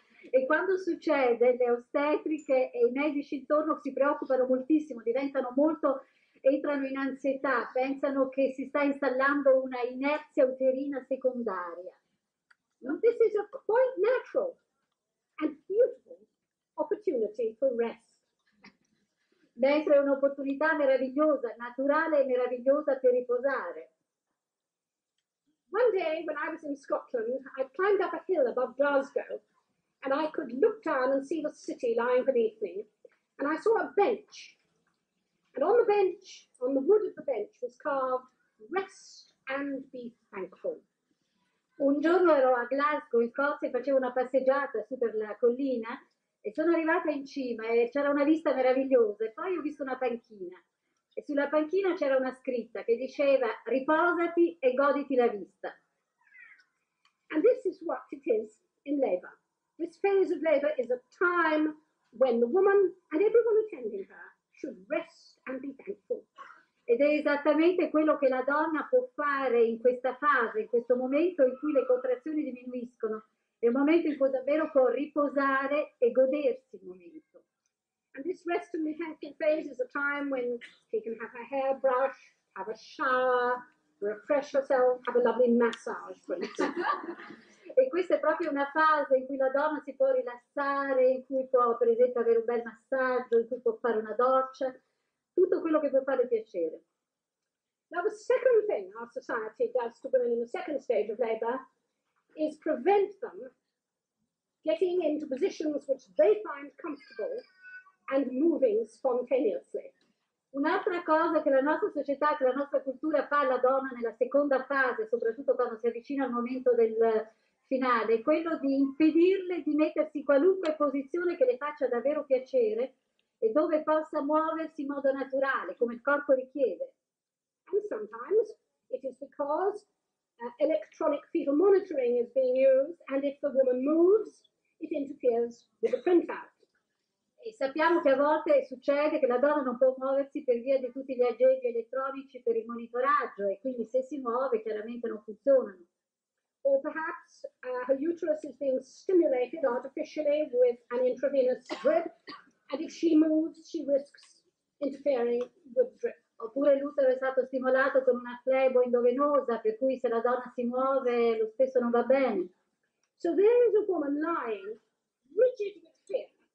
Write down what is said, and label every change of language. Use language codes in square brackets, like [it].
[it] E quando succede, le ostetriche e i medici intorno si preoccupano moltissimo, diventano molto, entrano in ansietà, pensano che si sta installando una inerzia uterina secondaria. [en] Now this is a quite natural and beautiful opportunity for rest. [it] Mentre è un'opportunità meravigliosa, naturale e meravigliosa per riposare. [en] One day when I was in Scotland, I climbed up a hill above Glasgow and I could look down and see the city lying beneath me. And I saw a bench. And on the bench, on the wood of the bench, was carved, rest and be thankful. [it] Un giorno ero a Glasgow, in Scozia, e facevo una passeggiata su per la collina e sono arrivata in cima e c'era una vista meravigliosa e poi ho visto una panchina. E sulla panchina c'era una scritta che diceva, riposati e goditi la vista. [en] And this is what it is in labor. This phase of labor is a time when the woman and everyone attending her should rest and be thankful. [it] Ed è esattamente quello che la donna può fare in questa fase, in questo momento in cui le contrazioni diminuiscono. È un momento in cui davvero può riposare e godersi il momento. [en] And this rest and be thankful phase is a time when she can have her hair brushed, have a shower, refresh herself, have a lovely massage, for instance. [it] E questa è proprio una fase in cui la donna si può rilassare, in cui può, per esempio, avere un bel massaggio, in cui può fare una doccia, tutto quello che può fare piacere. [en] Now the second thing our society does to women in the second stage of labor is prevent them getting into positions which they find comfortable and moving spontaneously. [it] Un'altra cosa che la nostra società, che la nostra cultura fa alla donna nella seconda fase, soprattutto quando si avvicina al momento del finale, quello di impedirle di mettersi in qualunque posizione che le faccia davvero piacere e dove possa muoversi in modo naturale, come il corpo richiede. [en] And sometimes it is because electronic fetal monitoring is being used and if the woman moves, it interferes with the printout. [it] E sappiamo che a volte succede che la donna non può muoversi per via di tutti gli agenti elettronici per il monitoraggio e quindi se si muove chiaramente non funzionano. [en] Or perhaps her uterus is being stimulated artificially with an intravenous drip, and if she moves, she risks interfering with drip. [it] Oppure l'utero è stato stimolato con una flebo endovenosa, per cui se la donna si muove, lo stesso non va bene. [en] So there is a woman lying, rigid with fear.